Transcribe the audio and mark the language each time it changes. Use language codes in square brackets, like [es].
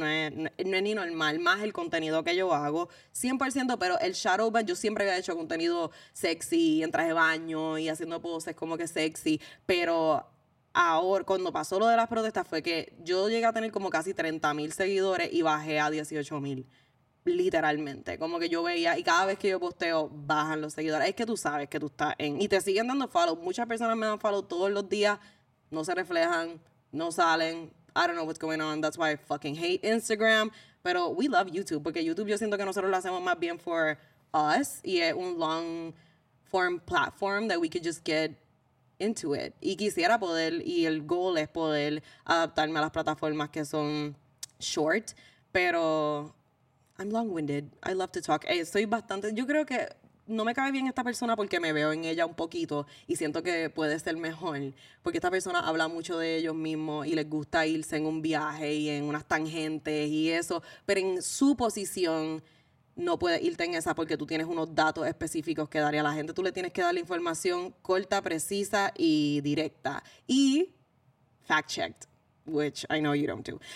[es] No es ni normal, más el contenido que yo hago, 100%, pero el shadowban, yo siempre había hecho contenido sexy, en traje de baño y haciendo poses como que sexy, pero ahora, cuando pasó lo de las protestas, fue que yo llegué a tener como casi 30,000 seguidores y bajé a 18,000. Literalmente, como que yo veía, y cada vez que yo posteo, bajan los seguidores. Es que tú sabes que tú estás en, y te siguen dando follow. Muchas personas me dan follow todos los días, no se reflejan, no salen. [en] I don't know what's going on, that's why I fucking hate Instagram. [es] Pero [en] we love YouTube, [es] porque YouTube yo siento que nosotros lo hacemos más bien [en] for us, [es] y es un [en] long form platform that we could just get into it. [es] Y quisiera poder, y el goal es poder adaptarme a las plataformas que son short, pero [en] I'm long-winded. I love to talk. [es] Soy bastante. Yo creo que no me cabe bien esta persona porque me veo en ella un poquito y siento que puede ser mejor. Porque esta persona habla mucho de ellos mismos y les gusta irse en un viaje y en unas tangentes y eso. Pero en su posición no puede irte en esa porque tú tienes unos datos específicos que darle a la gente. Tú le tienes que dar la información corta, precisa y directa. [en] Y fact-checked, which I know you don't do.